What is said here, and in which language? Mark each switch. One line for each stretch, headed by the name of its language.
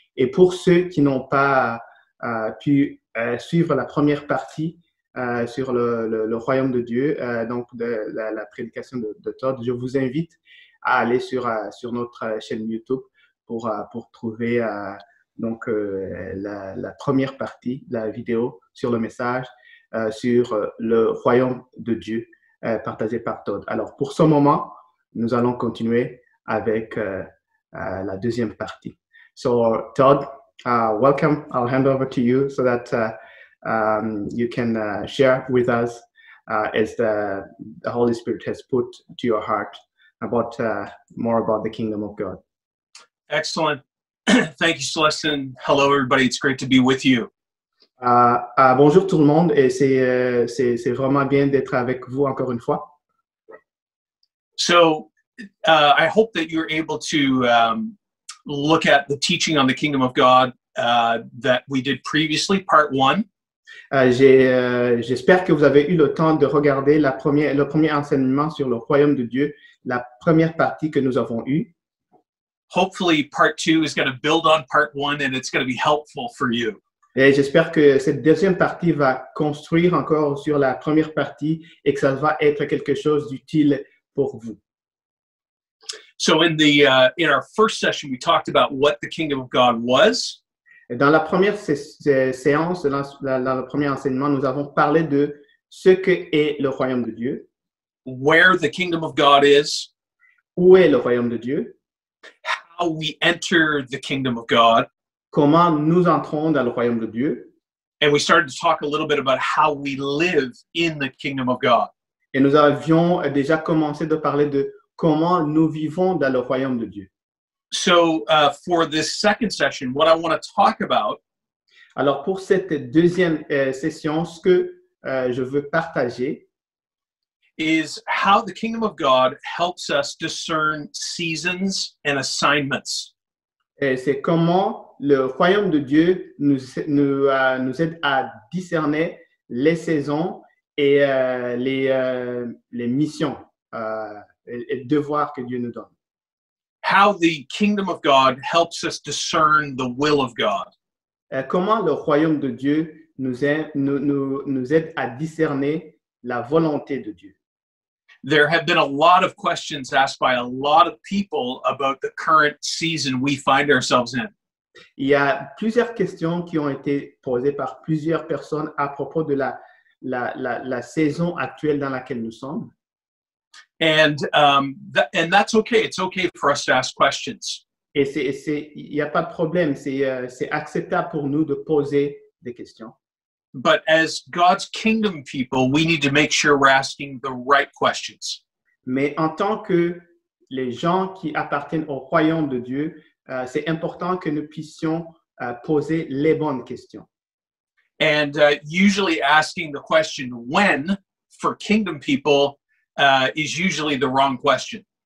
French: Et pour ceux qui n'ont pas pu suivre la première partie sur le royaume de Dieu, donc de la prédication de Todd, je vous invite à aller sur notre chaîne YouTube pour trouver la première partie, la vidéo sur le message sur le royaume de Dieu partagé par Todd. Alors, pour ce moment, nous allons continuer avec la deuxième partie.
English: So, Todd, welcome. I'll hand over to you so that you can share with us as the Holy Spirit has put to your heart about more about the kingdom of God. Excellent. Thank you, Celestine. Hello, everybody. It's great to be with you.
French: Bonjour tout le monde. Et c'est vraiment bien d'être avec vous encore une fois.
English: So, I hope that you're able to look at the teaching on the kingdom of God that we did previously, part one.
French: J'espère que vous avez eu le temps de regarder le premier enseignement sur le royaume de Dieu, la première partie que nous avons eue.
English: Hopefully, part two is going to build on part one and it's going to be helpful for you.
French: Et j'espère que cette deuxième partie va construire encore sur la première partie et que ça va être quelque chose d'utile pour vous.
English: So in the in our first session, we talked about what the kingdom of God was.
French: Dans la première séance, dans le premier enseignement, nous avons parlé de ce que est le royaume de Dieu.
English: Where the kingdom of God is.
French: Où est le royaume de Dieu?
English: How we enter the kingdom of God.
French: Comment nous entrons dans le royaume de Dieu?
English: And we started to talk a little bit about how we live in the kingdom of God.
French: Et nous avions déjà commencé de parler de comment nous vivons dans le royaume de Dieu.
English: So, for this second session, what I want to talk about...
French: Alors, pour cette deuxième session, ce que je veux partager...
English: is how the kingdom of God helps us discern seasons and assignments.
French: Et c'est comment le royaume de Dieu nous aide à discerner les saisons et les missions. Et devoir que Dieu nous donne.
English: How the kingdom of God helps us discern the will of God.
French: Comment le royaume de Dieu nous aide à discerner la volonté de Dieu.
English: there have been a lot of questions asked by a lot of people about the current season we find ourselves in.
French: Il y a plusieurs questions qui ont été posées par plusieurs personnes à propos de la saison actuelle dans laquelle nous sommes.
English: And that's okay. It's okay for us to ask questions.
French: Et c'est il y a pas de problème, c'est acceptable pour nous de poser des questions.
English: But as God's kingdom people, we need to make sure we're asking the right questions.
French: Mais en tant que les gens qui appartiennent au royaume de Dieu, c'est important que nous puissions poser les bonnes questions.
English: And usually asking the question when for kingdom people is usually the wrong question.